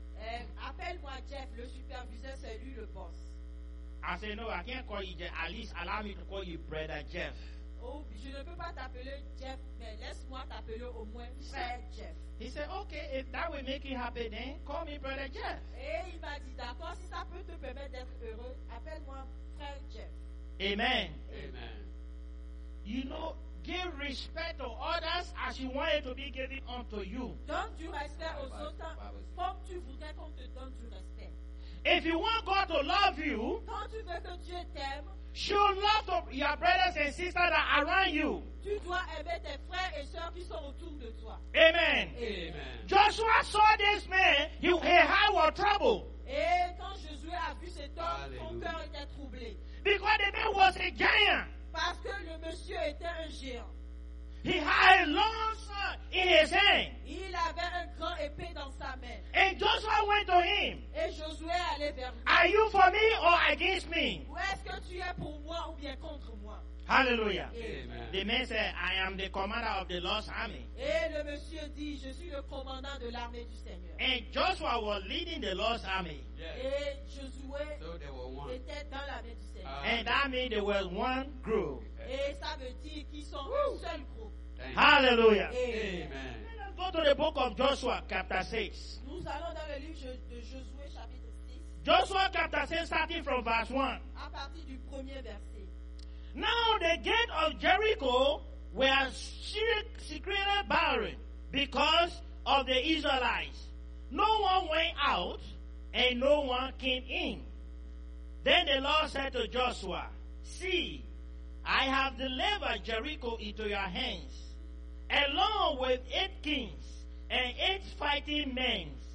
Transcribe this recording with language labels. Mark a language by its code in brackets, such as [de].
[fr] Appelle-moi Jeff, le superviseur, c'est lui le boss. [en] I said, no, I can't call you Jeff. At least allow me to call you brother Jeff. [fr] Oh, je ne peux pas t'appeler Jeff, mais laisse-moi t'appeler au moins frère Jeff. [en] He said, okay, if that will make you happy, then call me brother Jeff. [fr] Et il m'a dit, d'accord, si ça peut te permettre d'être heureux, appelle-moi frère Jeff. [en] Amen. Amen. You know, give respect to others as you want it to be given unto you. [fr] Donne du respect aux autres comme tu voudrais qu'on te donne du respect. [en] If you want God to love you, [fr] quand tu veux que Dieu t'aime, [en] show love to your brothers and sisters that are around you. [fr] Tu dois aimer tes frères et sœurs qui sont autour de toi. [en] Amen. Amen. Joshua saw this man, he had a trouble. [fr] Et quand Josué a vu cet homme, son cœur était troublé. [en] Because the man was a giant. [fr] Parce que le monsieur était un géant. [en] He had a long sword in his hand. [fr] Il avait un grand épée dans sa main. [en] And Joshua went to him. [fr] Et Josué allait vers lui. [en] Are you for me or against me? [fr] Ou est-ce que tu es pour moi ou bien contre moi? [en] Hallelujah. Amen. The man said, I am the commander of the Lord's army. [fr] Et le monsieur dit, je suis le commandant de l'armée du Seigneur. [en] And Joshua was leading the Lord's army. Yes. [fr] Et Josué [en] so [fr] était dans l'armée du Seigneur. [en] And that means there was one group. [fr] Et ça veut dire qu'ils sont Woo. Un seul groupe. [en] Hallelujah. Amen. Let us go to the book of Joshua, chapter 6. [fr] Nous allons dans le livre de Josué, chapitre 6. [en] Joshua, chapter 6, starting from verse 1. [fr] À partir du premier verset. [en] Now the gate of Jericho were secretly barred because of the Israelites. No one went out and no one came in. Then the Lord said to Joshua, see, I have delivered Jericho into your hands, along with 8 kings and 8 fighting men.